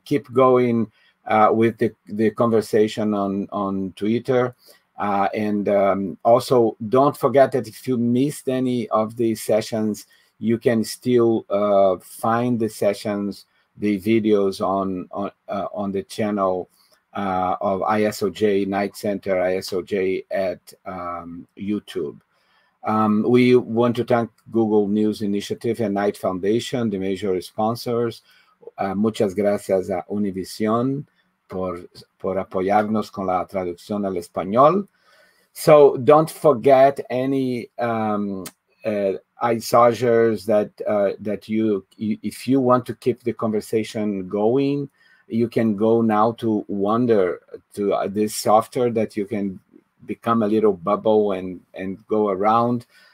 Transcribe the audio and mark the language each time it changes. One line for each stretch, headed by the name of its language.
English: Keep going with the conversation on Twitter, and also don't forget that if you missed any of the sessions, you can still find the sessions the videos on the channel of ISOJ Night Center, ISOJ at YouTube. We want to thank Google News Initiative and Knight Foundation, the major sponsors.
Spanish: Muchas gracias a Univision por apoyarnos con la traducción al español.
English: So don't forget any ISOJers that you, if you want to keep the conversation going, you can go now to Wonder, to this software that you can become a little bubble and go around.